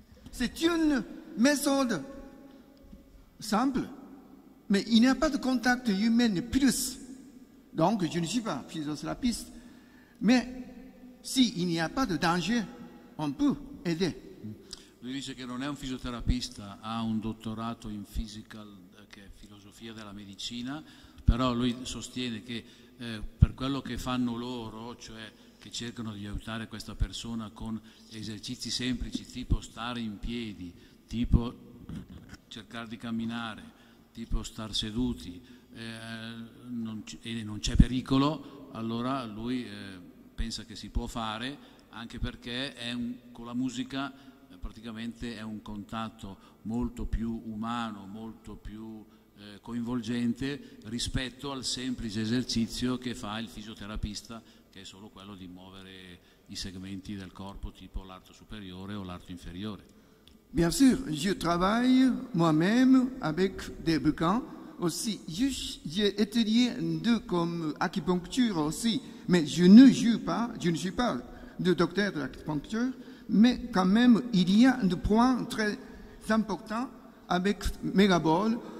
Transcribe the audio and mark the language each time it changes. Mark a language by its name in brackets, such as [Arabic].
[French] C'est une méthode simple, mais il n'y a pas de contact humain plus. Donc, je ne suis pas physiothérapeute. Mais s'il n'y a pas de danger, on peut aider. [Italian] Lui dice che non è un fisioterapista, ha un dottorato in physical, che è filosofia della medicina, però lui sostiene che per quello che fanno loro, cioè che cercano di aiutare questa persona con esercizi semplici, tipo stare in piedi, tipo cercare di camminare, tipo star seduti, non c'è pericolo, allora lui pensa che si può fare, anche perché è con la musica praticamente è un contatto molto più umano, molto più coinvolgente rispetto al semplice esercizio che fa il fisioterapista, che è solo quello di muovere i segmenti del corpo tipo l'arto superiore o l'arto inferiore. [French] Bien sûr, je travaille moi-même avec des bouquins aussi. J'ai étudié deux comme acupuncture aussi, mais je ne suis pas de docteur d'acupuncture. Mais quand même, il y a un point très important avec Megabol.